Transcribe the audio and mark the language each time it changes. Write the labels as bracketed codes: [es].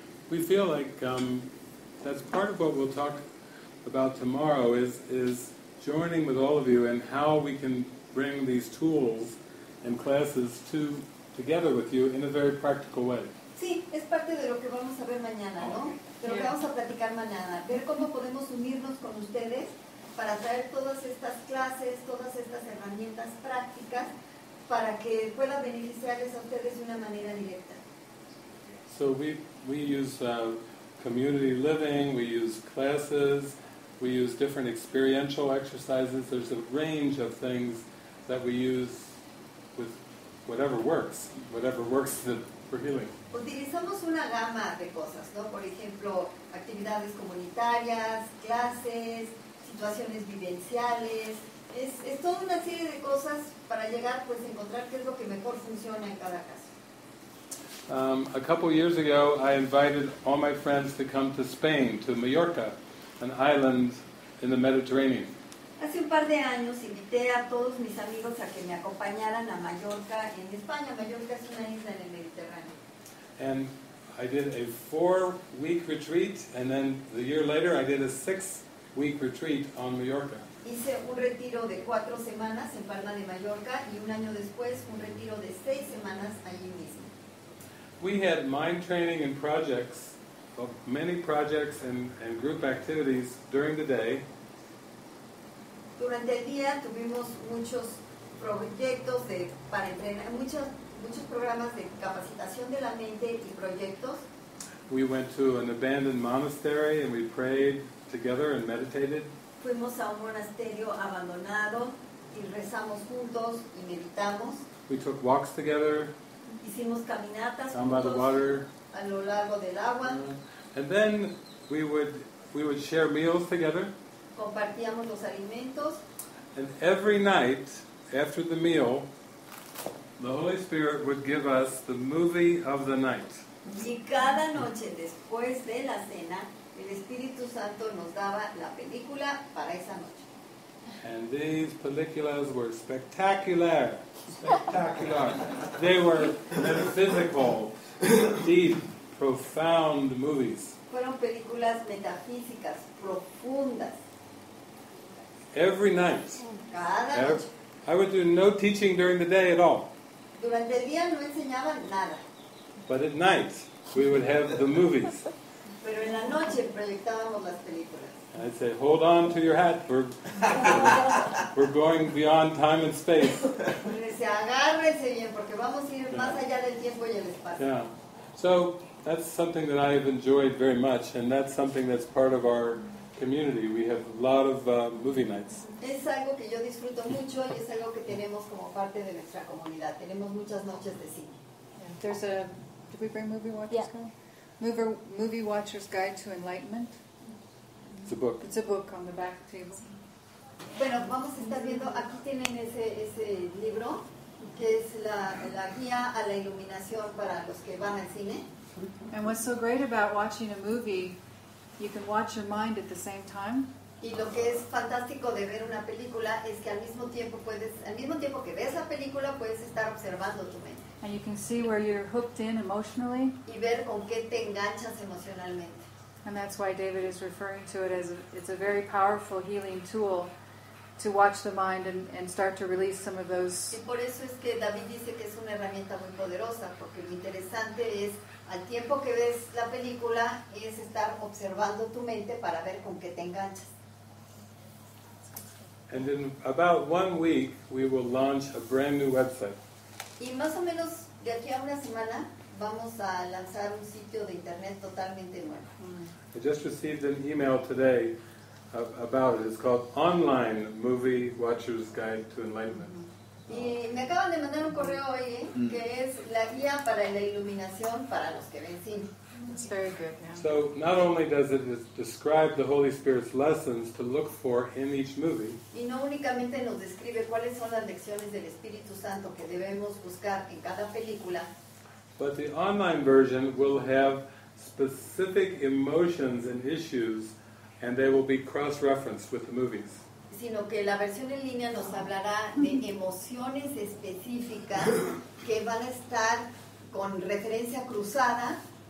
[en] We feel like that's part of what we'll talk about tomorrow is joining with all of you and how we can bring these tools and classes to together with you in a very practical way. [es] Sí, es parte de lo que vamos a ver mañana, ¿no? De lo que vamos a platicar mañana. Ver cómo podemos unirnos con ustedes para traer todas estas clases, todas estas herramientas prácticas para que puedan beneficiarles a ustedes de una manera directa. [en] So we use community living, we use classes, we use different experiential exercises. There's a range of things that we use with whatever works for healing. [es] Utilizamos una gama de cosas, ¿no? Por ejemplo, actividades comunitarias, clases, situaciones vivenciales. Es toda una serie de cosas para llegar, pues, a encontrar qué es lo que mejor funciona en cada caso. [en] A couple years ago, I invited all my friends to come to Spain, to Mallorca, an island in the Mediterranean. [es] Hace un par de años invité a todos mis amigos a que me acompañaran a Mallorca en España. Mallorca es una isla en el Mediterráneo. [en] And I did a 4-week retreat, and then the year later I did a 6-week retreat on Mallorca. [es] Hice un retiro de 4 semanas en Palma de Mallorca, y un año después un retiro de 6 semanas allí mismo. [en] We had mind training and projects, of many projects and group activities during the day. [es] Durante el día tuvimos muchos proyectos de para entrenar, muchos programas de capacitación de la mente y proyectos. [en] We went to an abandoned monastery and we prayed together and meditated. [es] Fuimos a un monasterio abandonado y rezamos juntos y meditamos. [en] We took walks together. [es] Hicimos caminatas [en] down by the water. [es] A lo largo del agua. [en] And then we would share meals together. [es] Compartíamos los alimentos. [en] And every night after the meal, the Holy Spirit would give us the movie of the night. [es] Y cada noche después de la cena, el Espíritu Santo nos daba la película para esa noche. [en] And these películas were spectacular. Spectacular. They were metaphysical, deep, profound movies. [es] Fueron películas metafísicas, profundas. [en] Every night. [es] Cada noche. [en] I would do no teaching during the day at all. [es] Durante el día no enseñaban nada. [en] But at night, we would have the movies. [es] Pero en la noche proyectábamos las películas. [en] I'd say, hold on to your hat. We're going beyond time and space. [es] Y decía, agárrese bien, porque vamos a ir más allá del tiempo y el espacio. [en] Yeah. So, that's something that I have enjoyed very much, and that's something that's part of our community. We have a lot of movie nights. [es] Es algo que yo disfruto mucho y es algo que tenemos como parte de nuestra comunidad. Tenemos muchas noches de cine. [en] Yeah. There's a, did we bring Movie Watchers Guide? Movie Watchers Guide to Enlightenment. It's a book. It's a book on the back table. [es] Bueno, vamos a estar viendo, aquí tienen ese libro, que es la guía a la iluminación para los que van al cine. [en] And what's so great about watching a movie, you can watch your mind at the same time. [es] Y lo que es fantástico de ver una película es que al mismo tiempo que ves la película puedes estar observando tu mente. [en] And you can see where you're hooked in emotionally. [es] Y ver con qué te enganchas emocionalmente. [en] And that's why David is referring to it as it's a very powerful healing tool to watch the mind and start to release some of those. [es] Y por eso es que David dice que es una herramienta muy poderosa, porque lo interesante es al tiempo que ves la película es estar observando tu mente para ver con qué te enganchas. [en] And in about 1 week we will launch a brand new website. [es] Y más o menos de aquí a una semana vamos a lanzar un sitio de internet totalmente nuevo. [en] I just received an email today about it. It's called Online Movie Watcher's Guide to Enlightenment. [es] Y me acaban de mandar un correo hoy, que es la guía para la iluminación para los que ven cine. [en] It's very good, yeah. So not only does it describe the Holy Spirit's lessons to look for in each movie. [es] Y no únicamente nos describe cuáles son las lecciones del Espíritu Santo que debemos buscar en cada película. [en] But the online version will have specific emotions and issues, and they will be cross-referenced with the movies. [es] Sino que la versión en línea nos hablará de emociones específicas que van a estar con referencia cruzada.